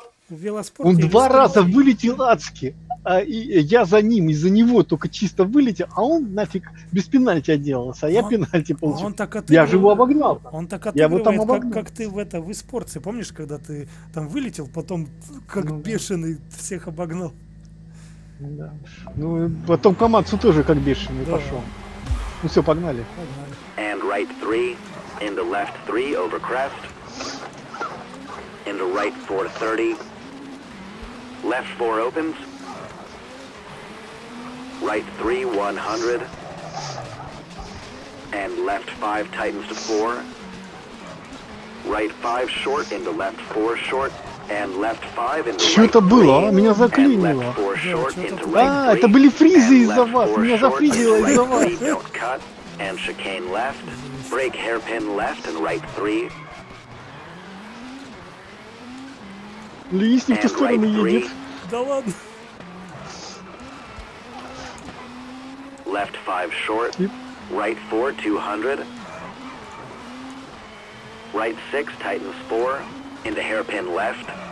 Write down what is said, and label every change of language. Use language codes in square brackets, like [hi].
[ru] Он два раза вылетел адски. А, и я за ним, из-за него только чисто вылетел, а он нафиг без пенальти отделался, а я пенальти получил. Он так я же его обогнал. Он так отыгрывает, я его там обогнал. Как ты в испорции, помнишь, когда ты там вылетел, потом как бешеный всех обогнал? Да. Ну, потом Камацу тоже как бешеный пошел. Ну все, погнали. [en] And right three, in the left three over crest, in the right 430, left four opens. Right 3, 100. And left 5 tightens to 4. Right 5 short into left 4 short. And left 5 into right 3. [ru] А? Меня заклинило. Да, [en] right three, [ru] это были фризы из-за вас. Меня зафризило из-за вас. [en] Right 3, don't cut. And chicane left. Break hairpin left and right 3. [ru] Льюис не в ту сторону едет. Да ладно. [en] Left 5 short, right 4 200, right 6 tightens 4, into hairpin left.